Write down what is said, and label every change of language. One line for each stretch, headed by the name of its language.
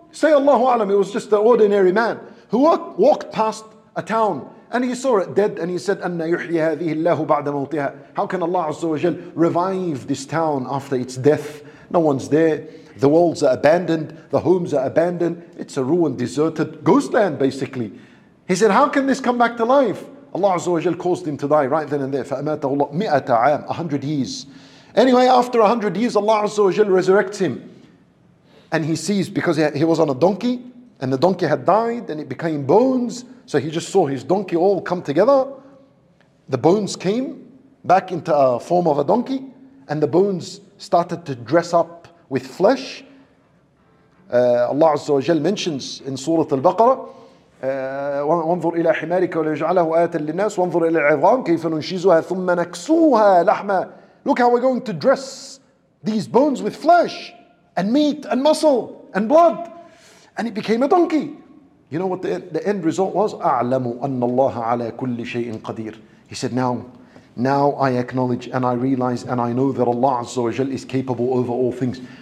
English: Say Allahu A'lam, it was just an ordinary man who walked past a town and he saw it dead and he said,
Arabic: "Anna yuhya hadhihi Allahu ba'da mawtiha."
English: How can Allah Azza wa Jal revive this town after its death? No one's there. The walls are abandoned. The homes are abandoned. It's a ruined, deserted ghost land, basically. He said, "How can this come back to life?" Allah Azza wa Jal caused him to die right then and there.
Arabic: فَأَمَاتَهُ اللَّهُ مِئَةَ عَامٍ
English: 100 years. Anyway, after 100 years, Allah Azza wa Jal resurrects him. And he sees, because he was on a donkey, and the donkey had died, and it became bones. So he just saw his donkey all come together. The bones came back into a form of a donkey, and the bones started to dress up with flesh.
Arabic: Allah Azza wa Jal mentions in Surah Al-Baqarah, وَانْظُرْ إِلَىٰ حِمَارِكَ وَلَيْجْعَلَهُ آيَةً لِلنَّاسِ وَانْظُرْ إِلَىٰ الْعِظَامِ كَيْفَ نُنْشِزُهَا ثُمَّ نَكْسُوهَا لَحْمًا.
English: Look how we're going to dress these bones with flesh and meat and muscle and blood. And it became a donkey. You know what the end result was?
Arabic: أَعْلَمُ أَنَّ اللَّهَ عَلَىٰ كُلِّ شَيْءٍ قَدِيرٍ.
English: He said, now I acknowledge and I realize and I know that Allah Azza wa Jal is capable over all things.